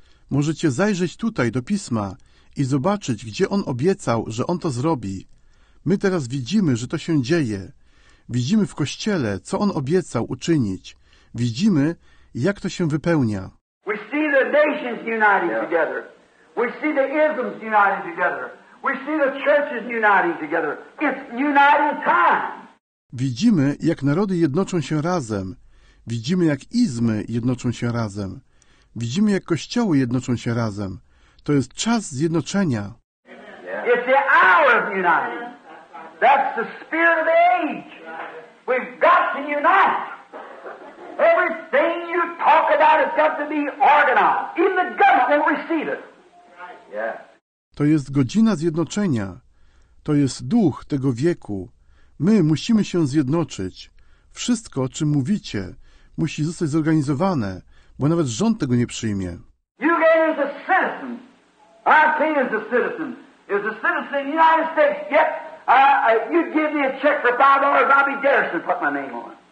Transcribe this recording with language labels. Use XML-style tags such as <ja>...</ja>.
<pl>Możecie zajrzeć tutaj do Pisma i zobaczyć, gdzie on obiecał, że on to zrobi. My teraz widzimy, że to się dzieje. Widzimy w Kościele, co on obiecał uczynić. Widzimy, jak to się wypełnia.</pl> <en>We see the nations uniting together. We see the isms uniting together. We see the churches uniting together. It's uniting time.</en> <pl>Widzimy, jak narody jednoczą się razem. Widzimy, jak izmy jednoczą się razem. Widzimy, jak kościoły jednoczą się razem. To jest czas zjednoczenia.</pl> <en>It's the hour of unity. That's the spirit of the age. We've got to unite. Everything you talk about has got to be organized. Even the government will receive it.</en> <pl>To jest godzina zjednoczenia. To jest duch tego wieku. My musimy się zjednoczyć. Wszystko, o czym mówicie, musi zostać zorganizowane, bo nawet rząd tego nie przyjmie.</pl> <en>You as a citizen, our king is a citizen. Is a citizen of the United States. Yet, you give me a check for $5, I'll be garrison, put my name on.</en>